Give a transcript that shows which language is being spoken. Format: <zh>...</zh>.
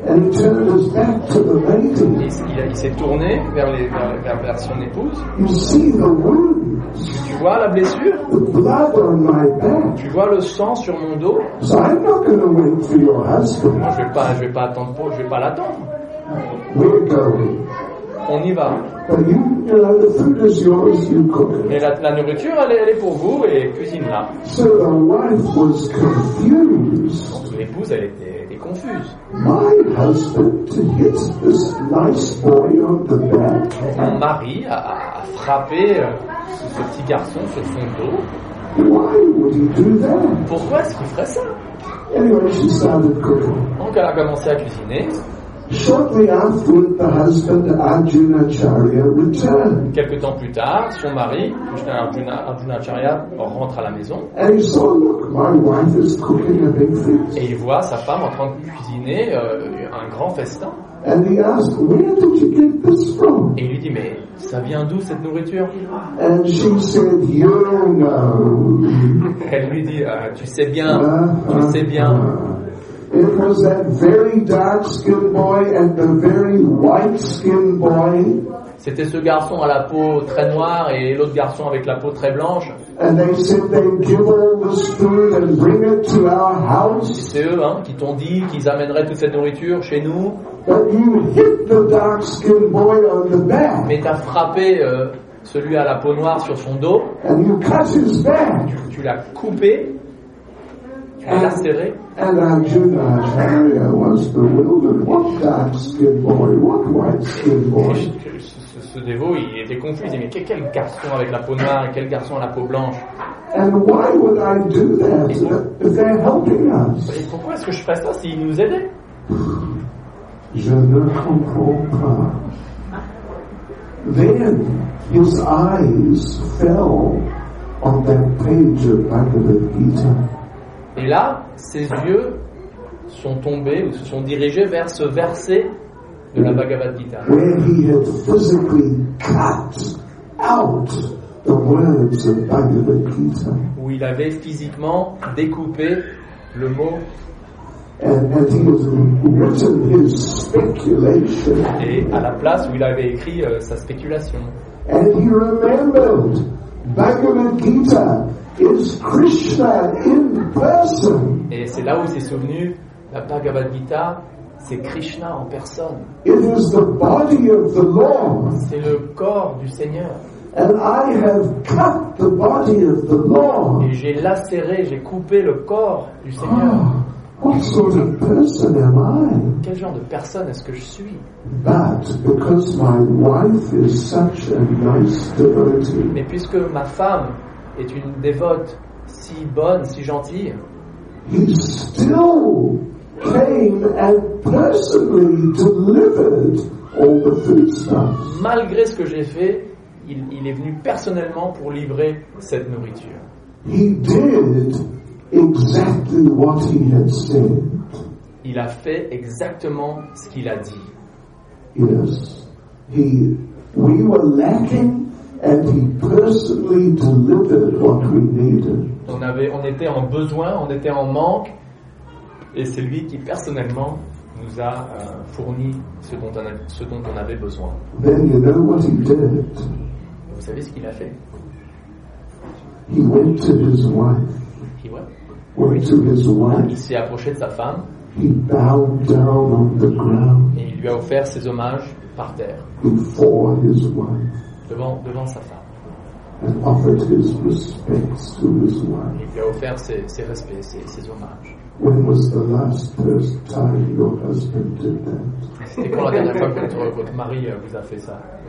<en>And he turned his back to the lady.</en> <fr>Il s'est tourné vers son épouse.</fr> <en>You see the wound.</en> <fr>Tu vois la blessure?</fr> <en>The blood on my back.</en> <fr>Tu vois le sang sur mon dos?</fr> <en>So I'm not going to wait for your husband.</en> <fr>Moi, je vais pas attendre pour, je vais pas l'attendre.</fr> <en>We're going.</en> <fr>On y va.</fr> <en>But you know, the food is yours, you cook it.</en> <fr>Mais la nourriture, elle est pour vous et cuisine-la.</fr> <en>So the wife was confused.</en> <fr>L'épouse, elle était confuse.</fr> <en>My husband hits this nice boy on the back.</en> <fr>Mon mari a frappé ce petit garçon sur son dos.</fr> <en>Why would he do that?</en> <fr>Pourquoi est-ce qu'il ferait ça?</fr> <en>Anyway, she started cooking.</en> <fr>Donc elle a commencé à cuisiner.</fr> <en>Shortly after, the husband Arjunacharya returned.</en> <fr>Quelque temps plus tard, son mari, Arjunacharya, rentre à la maison.</fr> <en>And he saw, look, my wife is cooking a big feast.</en> <fr>Et il voit sa femme en train de cuisiner un grand festin.</fr> <en>And he asked, where did you get this from?</en> <fr>Et il lui dit, mais ça vient d'où cette nourriture?</fr> <en>And she said, you know.</en> <fr>Elle lui dit, tu sais bien, tu sais bien.</fr> <en>It was that very dark-skinned boy and the very white-skinned boy.</en> <fr>C'était ce garçon à la peau très noire et l'autre garçon avec la peau très blanche.</fr> <en>And they said they'd give all this food and bring it to our house.</en> <fr>Et c'est eux, hein, qui t'ont dit qu'ils amèneraient toute cette nourriture chez nous.</fr> <en>But you hit the dark-skinned boy on the back.</en> <fr>Mais t'as frappé celui à la peau noire sur son dos.</fr> <en>And you cut his back.</en> <fr>Tu l'as coupé.</fr> <en>And Arjunacharya was bewildered. What dark-skinned boy? What white-skinned boy?</en> <fr>Ce dévot, il était confus. Mais quel garçon avec la peau noire et quel garçon à la peau blanche?</fr> <en>And why would I do that? Is that helping us?</en> <fr>Et pourquoi est-ce que je fais ça si il nous aidait? Je ne comprends pas.</fr> <en>Then his eyes fell on that page of Bhagavad Gita.</en> <fr>Et là, ses yeux sont tombés ou se sont dirigés vers ce verset de la Bhagavad Gita.</fr> <en>Where he had physically cut out the words of Bhagavad Gita.</en> <fr>Où il avait physiquement découpé le mot.</fr> <en>And he had written his speculation.</en> <fr>Et à la place où il avait écrit sa spéculation.</fr> <en>And he remembered Bhagavad Gita. Is Krishna in person?</en> <fr>Et c'est là où il s'est souvenu, la Bhagavad Gita, c'est Krishna en personne.</fr> <en>It is the body of the Lord.</en> <fr>C'est le corps du Seigneur.</fr> <en>And I have cut the body of the Lord.</en> <fr>Et j'ai lacéré, j'ai coupé le corps du Seigneur.</fr> <en>Oh, what sort of person am I?</en> <fr>Quel genre de personne est-ce que je suis?</fr> <en>But because my wife is such a nice devotee.</en> <fr>Mais puisque ma femme est une dévote si bonne, si gentille.</fr> <en>He still came and personally delivered all the foodstuffs.</en> <fr>Malgré ce que j'ai fait, il est venu personnellement pour livrer cette nourriture.</fr> <en>He did exactly what he had said.</en> <fr>Il a fait exactement ce qu'il a dit.</fr> <en>Yes, we were lacking. And he personally delivered what we needed.</en> <fr>On était en besoin, on était en manque, et c'est lui qui personnellement nous a fourni ce dont on avait besoin.</fr> <en>Then you know what he did.</en> <fr>Vous savez ce qu'il a fait?</fr> <en>He went to his wife. He what? Went to his wife.</en> <fr>Il s'est approché de sa femme.</fr> <en>He bowed down on the ground.</en> <fr>Et il lui a offert ses hommages par terre.</fr> <en>Before his wife.</en> <fr>Devant sa femme.</fr> <en>And offered his respects to his wife.</en> <fr>Il lui a offert ses respects, ses hommages.</fr> <en>When was the last time your husband did that?</en> <fr>C'était quand la dernière fois que votre mari vous a fait ça?</fr>